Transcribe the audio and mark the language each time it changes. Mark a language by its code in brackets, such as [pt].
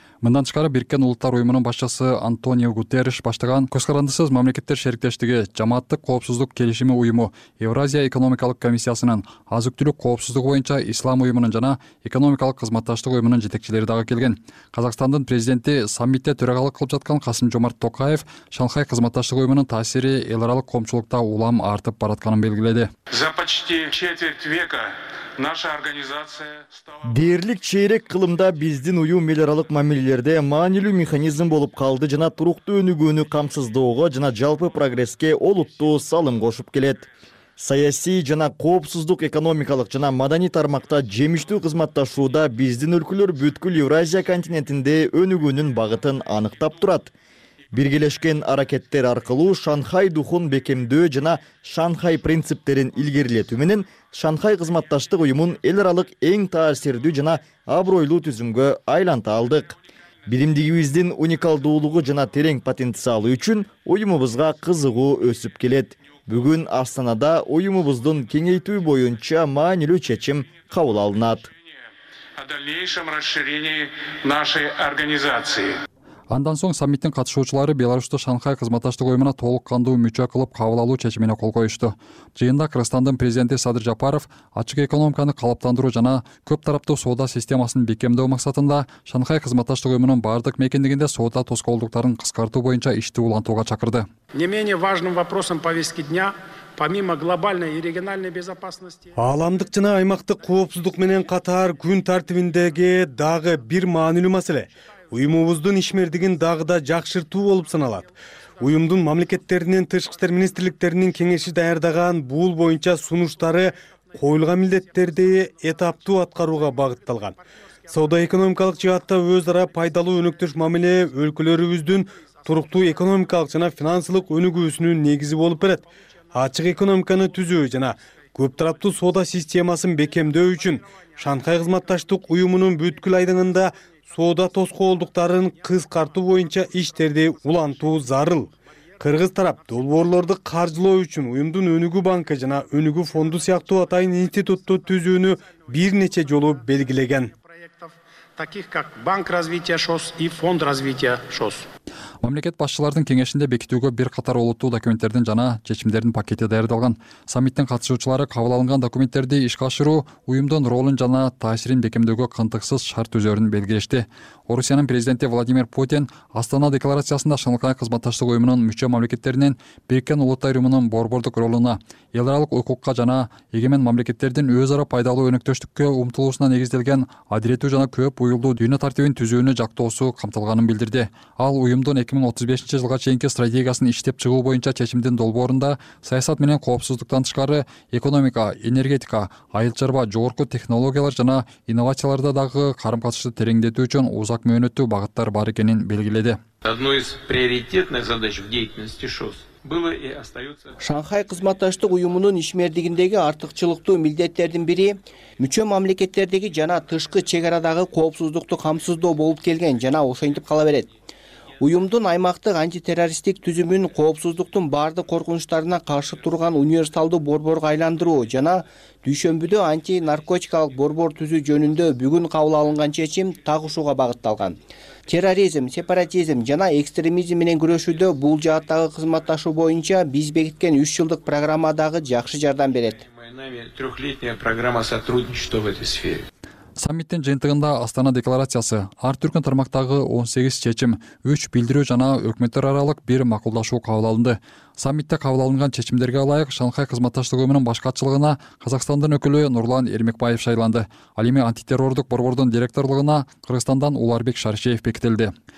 [ky] Мындан тышкары Бириккен Улуттар Уюмунун башчысы Антонио Гутерреш баштаган көз карандысыз мамлекеттер шериктештиги, жамааттык коопсуздук келишими уюму, Евразия экономикалык комиссиясынын азык-түлүк коопсуздугу боюнча ислам уюмунун жана экономикалык кызматташтык уюмунун жетекчилери дагы келген. Казакстандын президенти саммитте төрагалык кылып жаткан Касым-Жомарт Токаев Шанхай кызматташтык уюмунун таасири эл аралык коомчулукта улам артып баратканын белгиледи. [ru] За почти четверть века наша организация стала [ky] дээрлик чейрек кылымда биздин уюм эл аралык мамилелерде маанилүү механизм болуп калды жана туруктуу өнүгүүнү камсыздоого жана жалпы прогресске олуттуу салым кошуп келет. Саясий жана коопсуздук экономикалык жана маданий тармакта жемиштүү кызматташууда биздин өлкөлөр бүткүл Евразия континентинде өнүгүүнүн багытын аныктап турат. Биргелешкен аракеттер аркылуу Шанхай духун бекемдөө жана Шанхай принциптерин илгерилетүү менен Шанхай кызматташтык уюмун эл аралык эң таасирдүү жана абройлуу түзүмгө айланта алдык. Билимдигибиздин уникалдуулугу жана терең потенциалы үчүн уюмубузга кызыгуу өсүп келет. Бүгүн Астанада уюмубуздун кеңейтүү боюнча маанилүү чечим кабыл алынат. [ru] О дальнейшем расширении нашей организации. [ky] Андан соң саммиттин катышуучулары Беларусту Шанхай кызматташтык уюмуна толук кандуу мүчө кылып кабыл алуу чечимине кол коюшту. Жыйында Кыргызстандын президенти Садыр Жапаров ачык экономиканы калыптандыруу жана көп тараптуу соода системасын бекемдөө максатында Шанхай кызматташтык уюмунун бардык мекендигинде соода тоскоолдуктарын кыскартуу боюнча ишти улантууга чакырды. [ru] Не менее важным вопросом повестки дня, помимо глобальной и региональной безопасности, [ky] Аламдык жана аймактык коопсуздук менен катар күн тартибиндеги дагы бир маанилүү маселе. Уюмубуздун ишмердигин дагы да жакшыртуу болуп саналат. Уюмдун мамлекеттеринин тышкы иштер министрликтеринин кеңеши даярдаган бул боюнча сунуштары коюлган милдеттерди этаптуу аткарууга багытталган. Соода экономикалык жаатта өз ара пайдалуу өнөктөш мамиле өлкөлөрүбүздүн туруктуу экономикалык жана финансылык өнүгүүсүнүн негизи болуп берет. Ачык экономиканы түзүү жана көп тараптуу соода системасын бекемдөө үчүн Шанхай кызматташтык уюмунун бүткүл айдыңында соода тоскоолдуктарын кыскартуу боюнча иштерди улантуу зарыл. Кыргыз тарап долбоорлорду каржылоо үчүн уюмдун өнүгүү банкы жана өнүгүү фонду сыяктуу атайын институтту түзүүнү бир нече жолу белгилеген. [ru] Таких как банк развития ШОС и фонд развития ШОС. [ky] Мамлекет башчылардын кеңешинде бекитүүгө бир катар олуттуу документтердин жана чечимдердин пакети даярдалган. Саммиттин катышуучулары кабыл алынган документтерди ишке ашыруу уюмдун ролун жана таасирин бекемдөөгө кынтыксыз шарт түзөрүн белгилешти. Орусиянын президенти Владимир Путин Астана декларациясында Шанхай кызматташтык уюмунун мүчө мамлекеттеринин Бириккен Улуттар Уюмунун борбордук ролуна, эл аралык укукка жана эгемен мамлекеттердин өз ара пайдалуу өнөктөштүккө умтулуусуна негизделген адилеттүү жана көп уюлдуу дүйнө тартибин түзүүнү жактоосу камтылганын билдирди. Ал уюмдун 2035 жылга чейинки стратегиясын иштеп чыгуу боюнча чечимдин долбоорунда саясат менен коопсуздуктан тышкары экономика, энергетика, айыл чарба, жогорку технологиялар жана инновацияларда дагы карым катышты тереңдетүү үчүн узак мөөнөттүү багыттар бар экенин белгиледи. [ru] Одной из приоритетных задач в деятельности ШОС было и остается. [ky] Шанхай кызматташтык уюмунун ишмердигиндеги артыкчылыктуу милдеттердин бири мүчө мамлекеттердеги жана тышкы чек арадагы коопсуздукту камсыздоо болуп келген жана ошентип кала берет. Уюмдун аймактык антитеррористтик түзүмүн коопсуздуктун бардык коркунучтарына каршы турган универсалдуу борборго айландыруу жана дүйшөмбүдө антинаркотикалык борбор түзүү жөнүндө бүгүн кабыл алынган чечим так ушуга багытталган. Терроризм, сепаратизм жана экстремизм менен күрөшүүдө бул жааттагы кызматташуу боюнча биз бекиткен 3 жылдык программа дагы жакшы жардам берет. [ru] Трехлетняя программа сотрудничества в этой сфере. [ky] Саммиттин жыйынтыгында Астана декларациясы, ар түркүн тармактагы 18 чечим, 3 билдирүү жана өкмөттөр аралык бир макулдашуу кабыл алынды. Саммитте кабыл алынган чечимдерге ылайык Шанхай кызматташтык уюмунун башкатчылыгына Казакстандын өкүлү Нурлан Эрмекбаев шайланды. Ал эми антитеррордук борбордун директорлугуна Кыргызстандан Уларбек Шаршеев бекитилди.